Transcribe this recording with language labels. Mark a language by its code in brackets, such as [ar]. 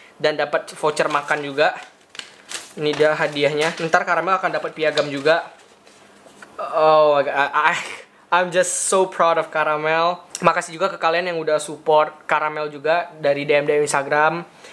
[id] Dan dapat voucher makan juga. Ini dia hadiahnya. Ntar Caramel akan dapat piagam juga. [en] Oh my god, I'm just so proud of Caramel. [id] Makasih juga ke kalian yang udah support Caramel juga dari DM-DM Instagram.